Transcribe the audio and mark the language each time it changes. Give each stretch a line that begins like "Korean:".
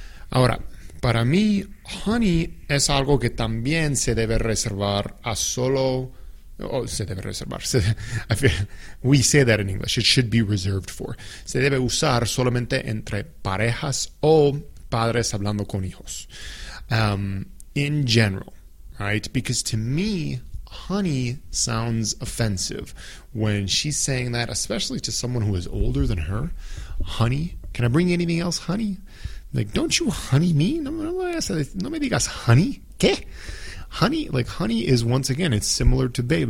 Spanish: Ahora, para mí, honey es algo que también se debe reservar a solo... Oh, se debe reservar.
English: We say that in English. It should be reserved for.
Spanish: Se debe usar solamente entre parejas o padres hablando con hijos.
English: In general, right? Because to me, honey sounds offensive when she's saying that, especially to someone who is older than her. Honey, can I bring you anything else, honey? Like, don't you honey me?
Spanish: No me digas honey. ¿Qué?
English: Honey, like, honey is, once again, it's similar to babe.